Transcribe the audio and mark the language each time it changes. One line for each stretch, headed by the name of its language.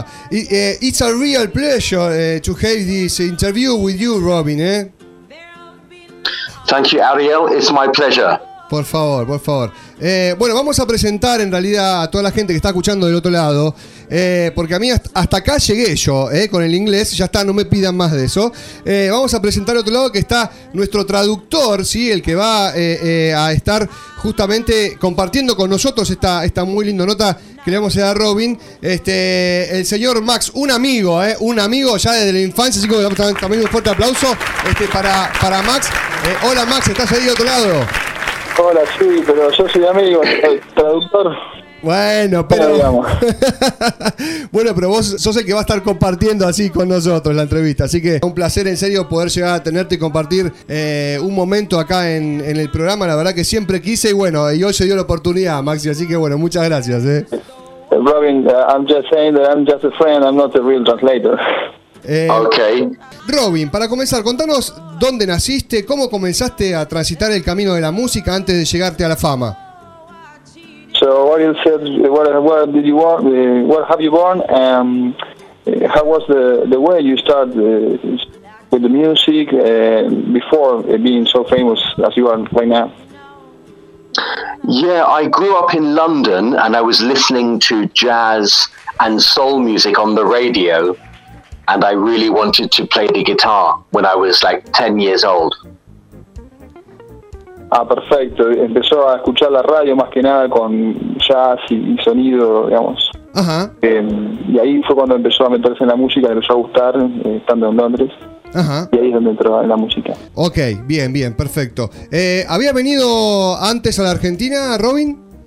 English: It's a real pleasure to have this interview with you, Robin. Thank you, Ariel. It's my pleasure.
Spanish: Por favor. Bueno, vamos a presentar en realidad a toda la gente que está escuchando del otro lado, porque a mí hasta acá llegué yo con el inglés, ya está, no me pidan más de eso. Vamos a presentar al otro lado que está nuestro traductor, ¿sí? El que va a estar justamente compartiendo con nosotros esta muy linda nota que le vamos a dar a Robin, el señor Max, un amigo ya desde la infancia, así que le vamos a dar también un fuerte aplauso para Max. Hola Max, ¿estás ahí del otro lado? Hola, sí, pero yo soy amigo, traductor. Bueno, pero... bueno, pero vos sos el que va a estar compartiendo así con nosotros la entrevista. Así que un placer en serio poder llegar a tenerte y compartir un momento acá en el programa. La verdad que siempre quise y bueno, y hoy se dio la oportunidad, Maxi. Así que bueno, muchas gracias.
English: Robin, I'm just saying that I'm just a friend, I'm not a real translator. Okay.
Spanish: Robin, para comenzar, contanos dónde naciste, cómo comenzaste a transitar el camino de la música antes de llegarte a la fama.
English: So what you said, where did you born, where have you born, how was the way you start with the music before being so famous as you are right now? Yeah, I grew up in London and I was listening to jazz and soul music on the radio. And I really wanted to play the guitar when I was like 10 years old.
Spanish: Ah, perfecto. Empezó a escuchar la radio más que nada con jazz y sonido, digamos. Ajá. Y ahí fue cuando empezó a meterse en la música, le empezó a gustar estando en Londres. Ajá. Y ahí es donde entró en la música. Ok, bien, perfecto. ¿Había venido antes a la Argentina, Robin?